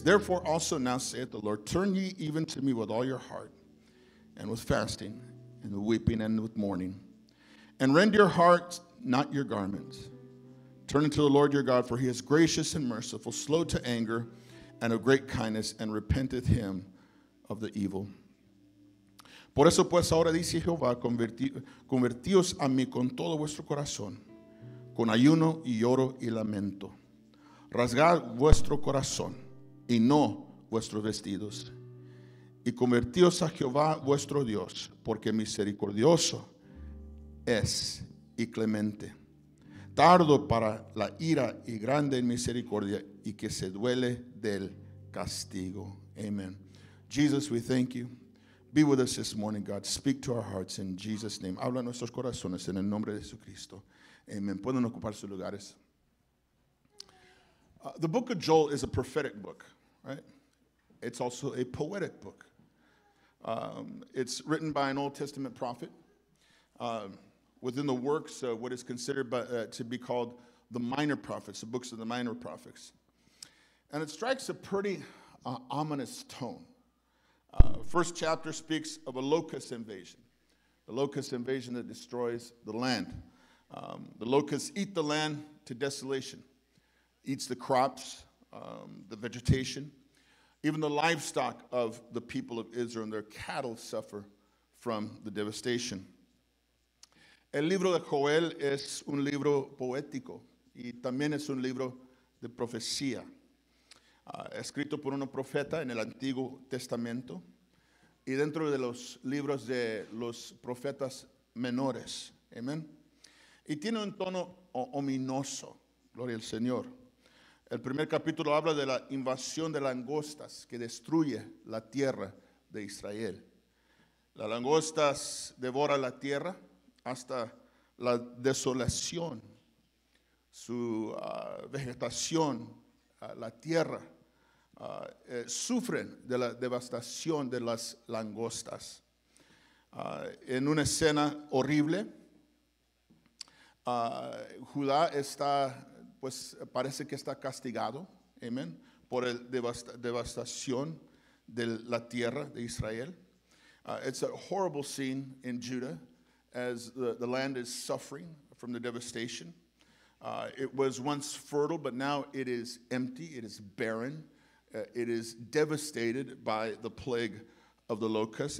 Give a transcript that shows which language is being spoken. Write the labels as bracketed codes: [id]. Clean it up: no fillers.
[en] Therefore also now saith the Lord, turn ye even to me with all your heart, and with fasting, and with weeping, and with mourning. And rend your hearts, not your garments. Turn unto the Lord your God, for he is gracious and merciful, slow to anger, and of great kindness, and repenteth him of the evil. [es] Por eso pues ahora dice Jehová, convertíos a mí con todo vuestro corazón, con ayuno y lloro y lamento. Rasgad vuestro corazón, y no vuestros vestidos. Y convertíos a Jehová vuestro Dios, porque misericordioso es y clemente. Tardo para la ira y grande en misericordia, y que se duele del castigo. Amen. [en] Jesus, we thank you. Be with us this morning, God. Speak to our hearts in Jesus' name. [es] Habla nuestros corazones en el nombre de Jesucristo. Amen. Pueden ocupar sus lugares. [en] The book of Joel is a prophetic book, right? It's also a poetic book. It's written by an Old Testament prophet within the works of what is considered to be called the Minor Prophets, the books of the Minor Prophets. And it strikes a pretty ominous tone. First chapter speaks of a locust invasion, the locust invasion that destroys the land. The locusts eat the land to desolation, eats the crops, the vegetation. Even the livestock of the people of Israel and their cattle suffer from the devastation. [es] El libro de Joel es un libro poético y también es un libro de profecía. Escrito por un profeta en el Antiguo Testamento y dentro de los libros de los profetas menores. Amen. Y tiene un tono ominoso. Gloria al Señor. El primer capítulo habla de la invasión de langostas que destruye la tierra de Israel. Las langostas devoran la tierra hasta la desolación. Su vegetación, la tierra, sufren de la devastación de las langostas. En una escena horrible, Judá está, pues parece que está castigado, amén, por la devastación de la tierra de Israel. [en] It's a horrible scene in Judah as the land is suffering from the devastation. It was once fertile, but now it is empty, it is barren. It is devastated by the plague of the locusts.